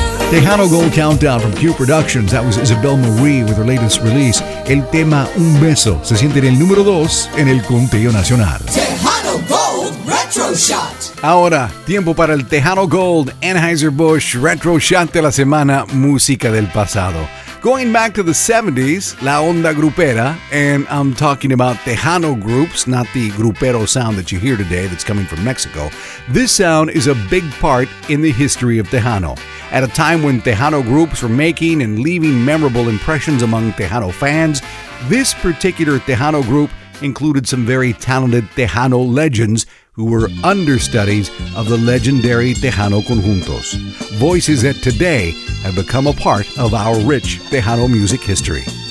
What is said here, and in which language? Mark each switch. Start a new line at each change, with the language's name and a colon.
English: Tejano Gold Countdown from Q Productions. That was Isabel Marie with her latest release.
Spanish: El tema Un Beso se siente en el número 2 en el conteo nacional.
English: Tejano Gold Retro Shot.
Spanish: Ahora, tiempo para el Tejano Gold Anheuser-Busch Retro Shot de la semana, música del pasado.
English: Going back to the 70s,
Spanish: la onda grupera,
English: and I'm talking about Tejano groups, not the grupero sound that you hear today that's coming from Mexico. This sound is a big part in the history of Tejano. At a time when Tejano groups were making and leaving memorable impressions among Tejano fans, this particular Tejano group included some very talented Tejano legends who were understudies of the legendary Tejano Conjuntos, voices that today have become a part of our rich Tejano music history.